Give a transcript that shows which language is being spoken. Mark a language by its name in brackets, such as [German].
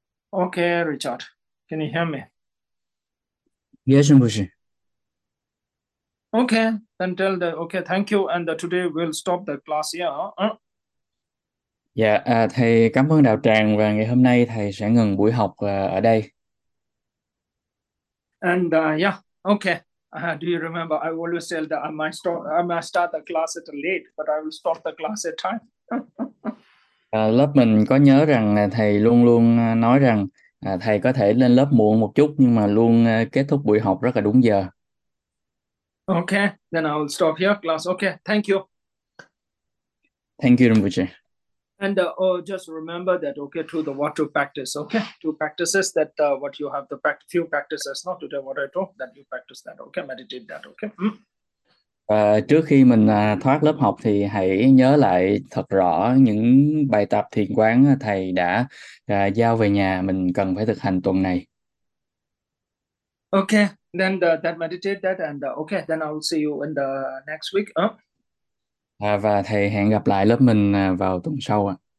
[English] Okay, Richard, can you hear me? Yes, Mbushi. Okay, then tell the okay, thank you, and today we'll stop the class here. [Vietnamese] Dạ, thầy cảm ơn đạo tràng và ngày hôm nay thầy sẽ ngừng buổi học ở đây. [English] And okay. Do you remember? I always tell that I might start the class at late, but I will stop the class at time. [Vietnamese] Lớp mình có nhớ rằng thầy luôn luôn nói rằng thầy có thể lên lớp muộn một chút nhưng mà luôn kết thúc buổi học rất là đúng giờ. [English] Okay, then I'll stop here, class. Okay, thank you. Thank you, Rinpoche. And just remember that, okay, to the what to practice, okay, to practices that what you have the practice, few practices, not today what I talk, that you practice that, okay, meditate that, okay. [Vietnamese] Và trước khi mình thoát lớp học thì hãy nhớ lại thật rõ những bài tập thiền quán thầy đã giao về nhà mình cần phải thực hành tuần này. [English] Okay, then the, that meditate that and okay, then I'll see you in the next week. [Vietnamese] Và thầy hẹn gặp lại lớp mình vào tuần sau ạ.